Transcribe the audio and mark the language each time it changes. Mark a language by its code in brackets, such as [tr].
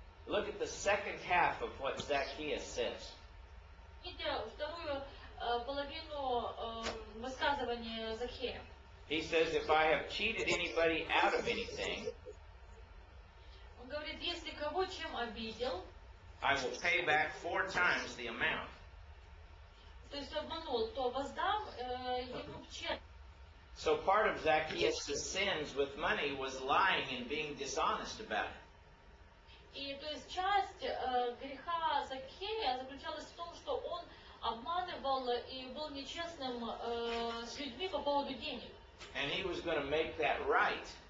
[en] Look at the second half of what Zacchaeus says. [ru] Видите вторую половину высказывания Захея. [en] He says, if I have cheated anybody out of anything, [ru] он говорит, если кого чем обидел, [en] I will pay back four times the amount. [ru] То есть обманул, то воздам ему в четверть. [en] So part of Zacchaeus' sins with money was lying and being dishonest about it. [ru] И то есть часть греха Закхея заключалась в том, что он обманывал и был нечестным с людьми по поводу денег. [en] And he was going to make that right.